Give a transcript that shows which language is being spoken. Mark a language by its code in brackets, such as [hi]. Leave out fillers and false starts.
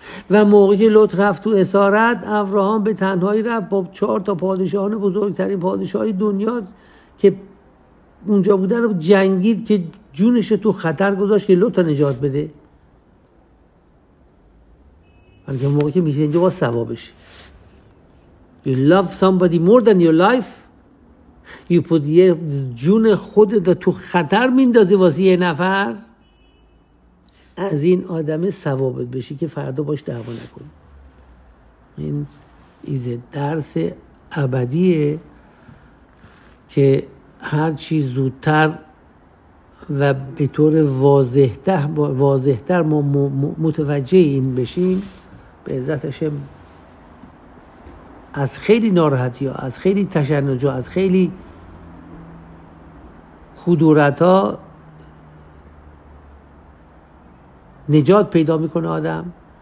[fa] و موقعی که لط رفت تو اسارت، ابراهام به تنهایی رفت با 4 تا پادشاهان بزرگترین پادشاهای دنیا که اونجا بودن رو جنگید که جونش تو خطر گذاشت که لط رو نجات بده. اگه موقعی که میشه اینجا با ثوابش. [en] You love somebody more than your life. You put [fa] یه جون خودت تو خطر میندازی واسه یه نفر. از این آدم ثوابت بشی که فردا باش دعوا نکن. این از درس ابدیه که هر چی زودتر و به طور واضح‌تر ما متوجه این بشیم، به عزتش از خیلی ناراحتی ها، از خیلی تشنج ها، از خیلی خودورت ها نجات پیدا میکنه آدم.